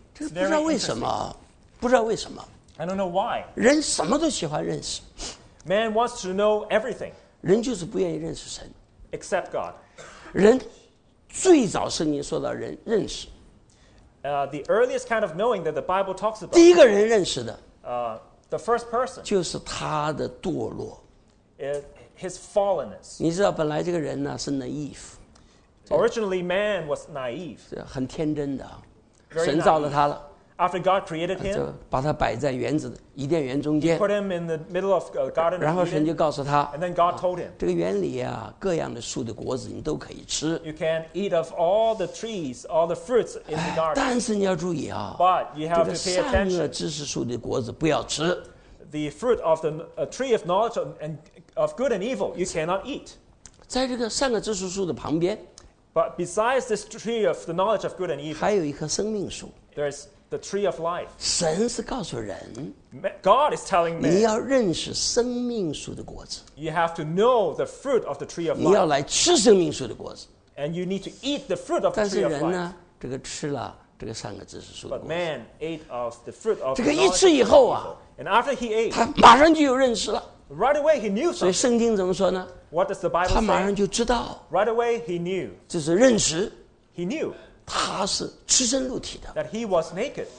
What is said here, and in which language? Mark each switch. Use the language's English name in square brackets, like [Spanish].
[Chinese] 不知道为什么，不知道为什么。 [English] I don't know why。 [Chinese] 人什么都喜欢认识。 [English] Man wants to know everything。 [Chinese] 人就是不愿意认识神。 [English] Except God. [Chinese] 人最早圣经说到人认识。 [English] The earliest kind of knowing that the Bible talks about. [Chinese] 第一个人认识的。 [English] The first person. [Chinese] 就是他的堕落。 [English] His fallenness. [Chinese] 你知道本来这个人呢是 naive. [English] Originally man was naive. [Chinese] 是很天真的。神造了他了。 [English] After God created him, [Chinese] 就把他摆在园子伊甸园中间。 [English] He put him in the middle of a garden. [Chinese] 然后神就告诉他 [English] ，And then God told him, [Chinese] 这个园里啊，各样的树的果子你都可以吃。 [English] You can eat of all the trees, all the fruits in the garden. [Chinese] 但是你要注意啊 [English] ，But you have to pay attention. [Chinese] 这个善恶知识树的果子不要吃。 [English] The fruit of the tree of knowledge of good and evil you cannot eat. [Chinese] 在这个善恶知识树的旁边 [English] ，But besides this tree of the knowledge of good and evil, [Chinese] 还有一棵生命树。 [English] There's The tree of life. [Chinese] 神是告诉人 [English] God is telling me. [Chinese] 你要认识生命树的果子 [English] You have to know the fruit of the tree of life. [Chinese] 你要来吃生命树的果子 [English] And you need to eat the fruit of the tree of life. [Chinese] 但是人呢，这个吃了这个善恶知识树的果子 [English] But man ate of the fruit of. [Chinese] 这个一吃以后啊 [English] ，And after he ate, [Chinese] 他马上就有认识了 [English] Right away he knew. [Chinese] 所以圣经怎么说呢 [English] ？What does the Bible say? [Chinese] 他马上就知道 [English] Right away he knew. [Chinese] 这是认识 [English] He knew. [Chinese] 他是赤身露体的。 [English] That he was naked.